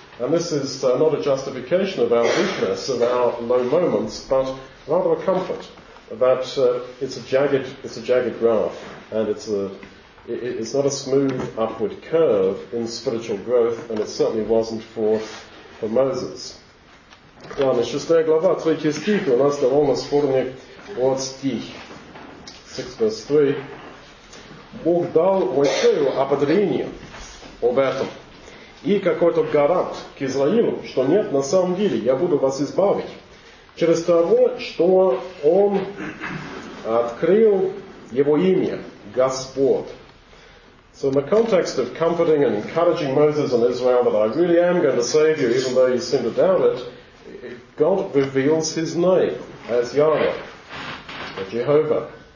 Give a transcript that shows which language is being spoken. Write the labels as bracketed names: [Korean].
[English] And this is not a justification of our weakness, of our low moments, but rather a comfort that it's a jagged graph, and it's a... It's not a smooth upward curve in spiritual growth, and it certainly wasn't for Moses. [Russian] Ладно, 6 глава, 3 стих, у нас довольно спорный вот стих. [English] 6 verse 3. [Russian] Бог дал Моисею ободрение об этом. И какой-то гарант к Израилю, что нет, на самом деле, я буду вас избавить. Через того, что он открыл его имя, Господь. [English] So in the context of comforting and encouraging Moses and Israel that I really am going to save you, even though you seem to doubt it, God reveals his name as Yahweh, as Jehovah.